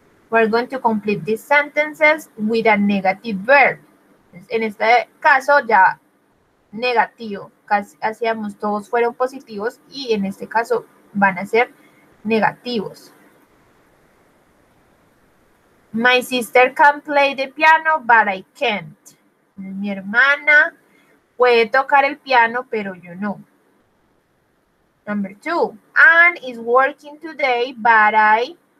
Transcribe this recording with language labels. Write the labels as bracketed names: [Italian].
[English] We're going to complete these sentences with a negative verb. [Spanish] En este caso, ya negativo. Casi hacíamos todos fueron positivos y en este caso van a ser negativos. [English] My sister can play the piano, but I can't. [Spanish] Mi hermana puede tocar el piano, pero yo no. [English] Number two, Anne is working today, but I...